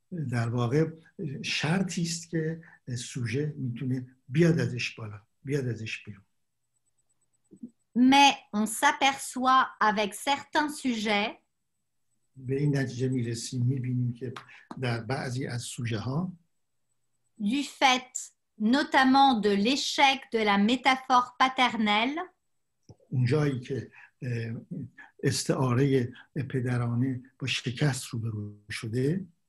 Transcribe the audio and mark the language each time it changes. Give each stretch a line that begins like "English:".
Persian: در واقع شرطی است که سوژه میتونه بیاد ازش بالا بیاد ازش بیرون.
French: Mais on s'aperçoit avec certains sujets
Persian: به این نتیجه میرسیم میبینیم که در بعضی از سوژه ها
French: du fait notamment de l'échec de la métaphore paternelle.
Persian: اونجایی که استعاره پدرانه با شکست روبرو شده.